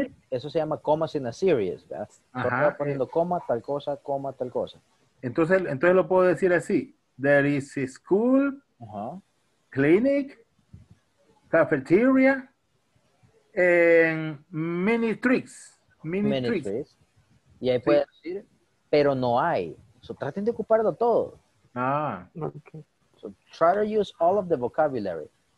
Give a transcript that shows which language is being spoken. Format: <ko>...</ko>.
<es>Eso se llama</es> <en>commas in a series,</en> <es>¿verdad? Poniendo coma, tal cosa. Entonces lo puedo decir así.</es> <en>There is a school, clinic, cafeteria, and mini tricks. Mini tricks.</en> <es>Y ahí sí puede decir, pero no hay. So, traten de ocuparlo todo. Ah.</es> <en>Okay. So, try to use all of the vocabulary.</en>